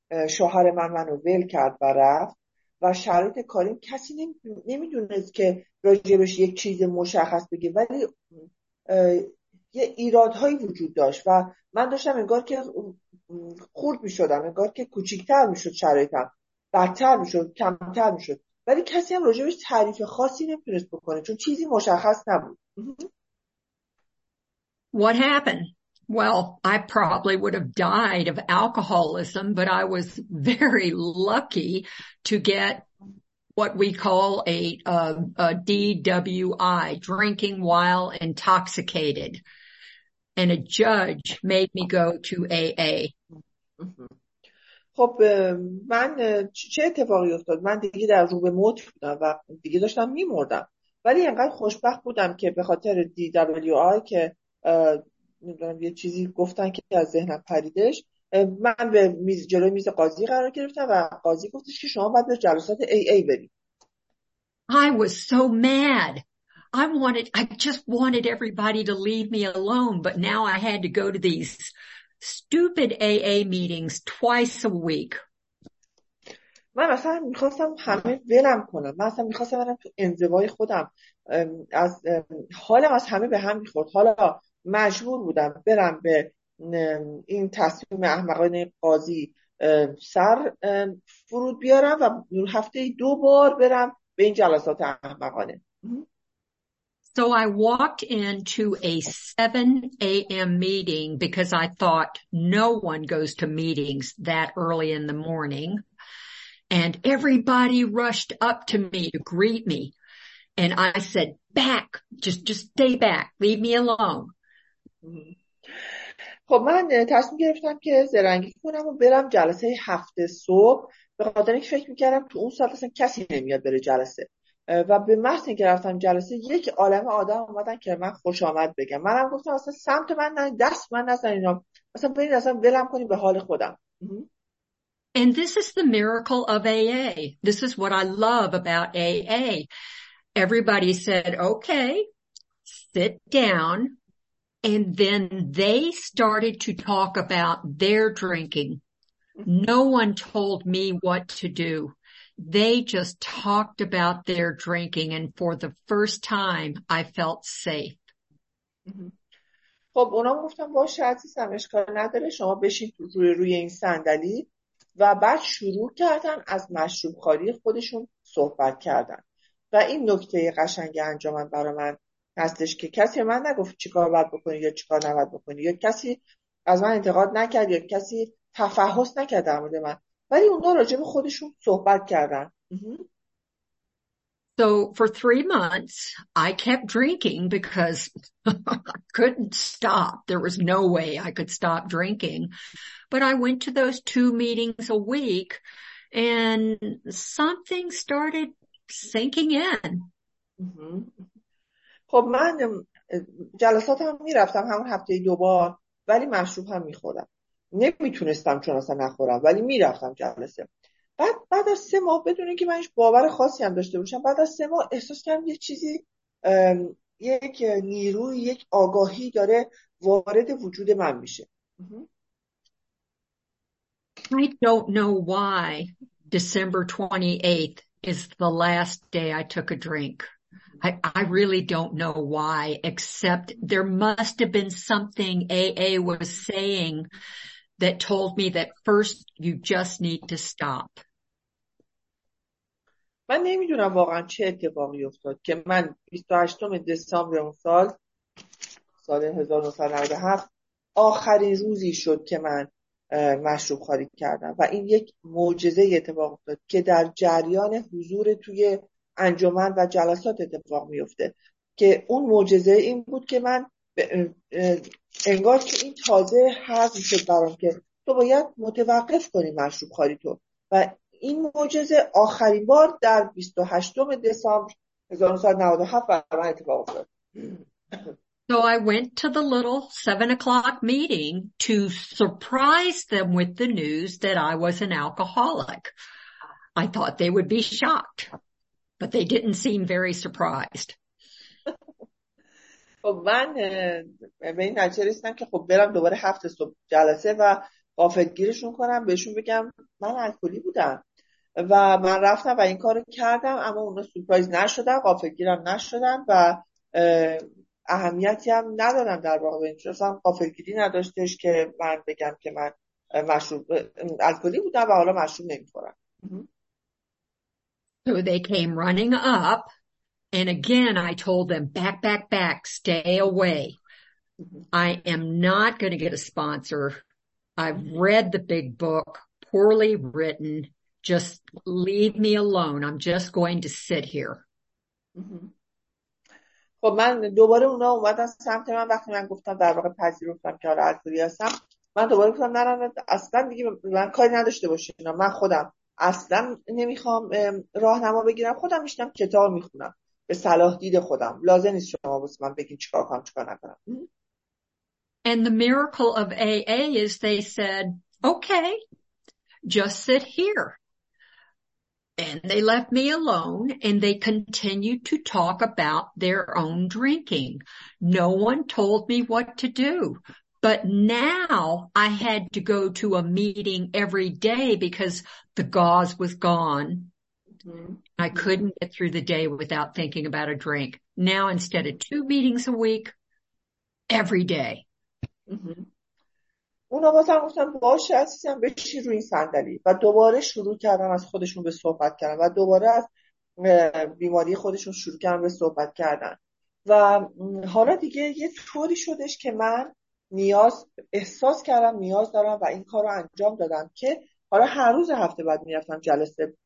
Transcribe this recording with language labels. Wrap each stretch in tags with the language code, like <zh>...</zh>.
<fa>شوهر من منو ول کرد و رفت و شرایط کاریم کسی نمیدونست که راجبش یک چیز مشخص بگه، ولی یه ایرادهایی وجود داشت و من داشتم انگار که خورد میشدم، انگار که کوچکتر میشد شرایطم، بدتر میشد، کمتر میشد، ولی کسی هم راجبش تعریف خاصی نمیتونست بکنه چون چیزی مشخص نبود.</fa> <en>What happened? Well, I probably would have died of alcoholism, but I was very lucky to get what we call a DWI, drinking while intoxicated. And a judge made me go to AA.</en> <fa>خب من چه اتفاقی افتاد؟ من دیگه در روبه موت بودم و دیگه داشتم میمردم. ولی انقدر خوشبخت بودم که به خاطر DWI که نمیدونم یه چیزی گفتن که از ذهنم پریدش، من به میز جلوی میز قاضی قرار گرفتم و قاضی گفتش که شما باید به جلسات AA برید.</fa> <en>I was so mad. I just wanted everybody to leave me alone, but now I had to go to these stupid AA meetings twice a week.</en> <fa>من اصلا میخواستم همه ولم کنم. من اصلا میخواستم برم تو انزوای خودم. از حالم از همه به هم میخورد. حالا مجبور بودم برم به این تصمیم احمقانه قاضی سر فرود بیارم و هفته دو بار برم به این جلسات احمقانه.</fa> <en>So I walked into a 7 a.m. meeting because I thought no one goes to meetings that early in the morning. And everybody rushed up to me to greet me. And I said, back, just stay back, leave me alone.</en> <fa>خب من تصمیم گرفتم که زرنگی کنم و برم جلسه هفته صبح، به خاطر اینکه فکر میکردم تو اون ساعت اصلا کسی نمیاد بره جلسه. و به محض اینکه رفتم جلسه، یک عالمه آدم اومدن که من خوش آمد بگم. منم گفتم اصلا سمت من نه، دست من نزن اینا، اصلا برید اصلا ولم کنید به حال خودم.</fa> <en>And this is the miracle of AA. This is what I love about AA. Everybody said, okay, sit down. And then they started to talk about their drinking. No one told me what to do. They just talked about their drinking. And for the first time, I felt safe.</en> <fa>خب اونا گفتن باشه عزیزم، اشکال نداره، شما بشین روی این صندلی. و بعد شروع کردن از مشروب خوری خودشون صحبت کردن. و این نکته قشنگ انجامن برای من هستش که کسی من نگفت چیکار باید بکنی یا چیکار نباید بکنی، یا کسی از من انتقاد نکرد، یا کسی تفحص نکرد در مورد من، ولی اونا راجع به خودشون صحبت کردن.</fa> <en>So for 3 months I kept drinking because I couldn't stop. There was no way I could stop drinking. But I went to those 2 meetings a week and something started sinking in.</en> <fa>خب من جلسات هم میرفتم همون هفته دو بار، ولی مشروب هم میخوردم. نمیتونستم چون اصلا نخورم، ولی میرفتم جلسه. بعد از 3 ماه، بدون اینکه من باور خاصی هم داشته باشم، بعد از 3 ماه احساس کردم یه چیزی، یک نیروی، یک آگاهی داره وارد وجود من میشه.</fa> <en>I don't know why December 28th is the last day I took a drink. I really don't know why, except there must have been something AA was saying that told me that first you just need to stop.</en> <fa>من نمیدونم واقعا چه اتفاقی افتاد که من 28 دسامبر اون سال 1997 آخرین روزی شد که من مشروب خوری کردم و این یک معجزه اتفاق افتاد که در جریان حضور توی انجمن و جلسات اتفاق میفته، که اون معجزه این بود که من انگار که این تازه حضم شد برام که تو باید متوقف کنی مشروب خوری تو. و این معجزه آخرین بار در 28 دسامبر 1997 اتفاق افتاد.</fa> <en>So I went to the little 7 o'clock meeting to surprise them with the news that I was an alcoholic. I thought they would be shocked, but they didn't seem very surprised.</en> <fa>من به این نتیجه رسیدم که خب برم دوباره 7 صبح جلسه و غافلگیرشون کنم، بهشون بگم من الکلی بودم و من رفتم و این کارو کردم، اما اونا سورپرایز نشدن، غافلگیرم نشدن و اهمیتی هم ندارم در واقع، به اینجور اصلا غافلگیری نداشتش که من بگم که من مشروب الکلی بودم و حالا مشروب نمی خورم.</fa> <en>So they came running up. And again, I told them, back, back, back, stay away. I am not going to get a sponsor. I've read the big book, poorly written. Just leave me alone. I'm just going to sit here.</en> <fa>خب من دوباره اونا اومدن سمت من، وقتی من گفتم در واقع پذیرفتم که آره الکلی هستم، من دوباره گفتم نرم، اصلا دیگه من کاری نداشته باشین، من خودم اصلا نمیخوام راهنما بگیرم، خودم میشنم کتاب میخونم به صلاح دید خودم، لازم نیست شما بس من بگین چیکار کنم چیکار نکنم.</fa> <en>And the miracle of AA is they said, okay, just sit here. And they left me alone and they continued to talk about their own drinking. No one told me what to do. But now I had to go to a meeting every day because the gauze was gone. I couldn't get through the day without thinking about a drink. Now instead of 2 meetings a week, every day.</en> <fa>اونا بازم گفتن باشه عزیزم بشین روی این صندلی، و دوباره شروع کردن از خودشون به صحبت کردن و دوباره از بیماری خودشون شروع کردن به صحبت کردن، و حالا دیگه یه طوری شدش که من نیاز احساس کردم، نیاز دارم و این کارو انجام دادم، که حالا هر روز هفته بعد میرفتم جلسه.</fa>